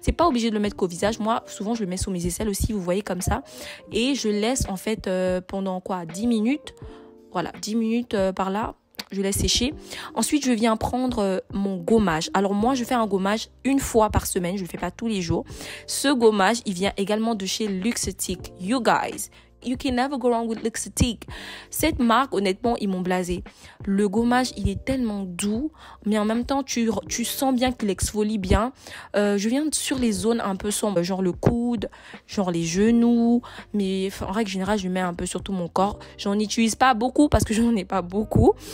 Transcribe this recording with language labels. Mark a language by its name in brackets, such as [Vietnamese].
[French] C'est pas obligé de le mettre qu'au visage. Moi, souvent, je le mets sous mes aisselles aussi, vous voyez comme ça. Et je laisse en fait pendant quoi 10 minutes. Voilà, 10 minutes par là. Je laisse sécher. Ensuite, je viens prendre mon gommage. Alors moi, je fais un gommage une fois par semaine. Je ne le fais pas tous les jours. Ce gommage, il vient également de chez Luxottic. [English] You guys, you can never go wrong with Luxottic. [French] Cette marque, honnêtement, ils m'ont blasé. Le gommage, il est tellement doux. Mais en même temps, tu sens bien qu'il exfolie bien. Je viens sur les zones un peu sombres, genre le coude, genre les genoux. Mais en règle générale, je mets un peu sur tout mon corps. J'en utilise pas beaucoup parce que j'en ai pas beaucoup.